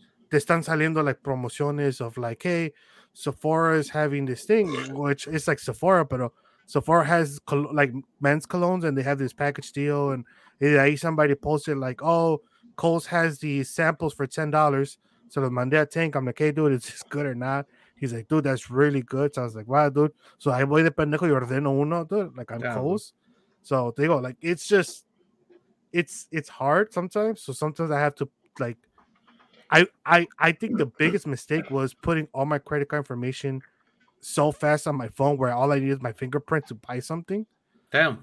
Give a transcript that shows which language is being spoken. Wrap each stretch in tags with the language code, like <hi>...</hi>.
<en>they</en> <es>están saliendo</es> <en>like promociones of like, hey, Sephora is having this thing, which it's like Sephora,</en> <es>pero</es> <en>Sephora has like men's colognes and they have this package deal. And somebody posted like, oh, Kohl's has these samples for $10. So the Mandela tank, I'm like, hey, dude, is this good or not? He's like, dude, that's really good. So I was like, wow, dude. So I</en> <es>voy de pendejo y ordeno uno, dude.</es> <en>Like, I'm Kohl's. So they go, like, it's just, it's hard sometimes. So sometimes I have to, like, I think the biggest mistake was putting all my credit card information so fast on my phone where all I need is my fingerprint to buy something. Damn.</en>